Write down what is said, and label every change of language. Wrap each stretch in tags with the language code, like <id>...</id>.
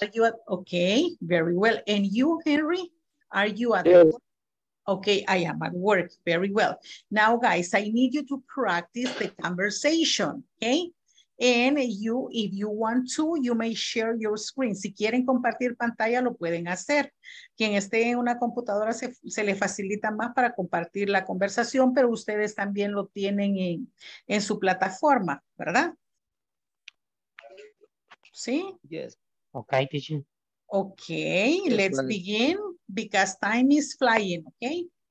<en>Okay, very well. And you, Henry, are you at work? Okay, I am at work. Very well. Now, guys, I need you to practice the conversation, okay? And you, if you want to, you may share your screen.</en> <es>Si quieren compartir pantalla, lo pueden hacer. Quien esté en una computadora, se le facilita más para compartir la conversación, pero ustedes también lo tienen en su plataforma, ¿verdad? ¿Sí?</es> <en>Yes. Okay, teacher. Okay, let's begin because time is flying, okay?</en>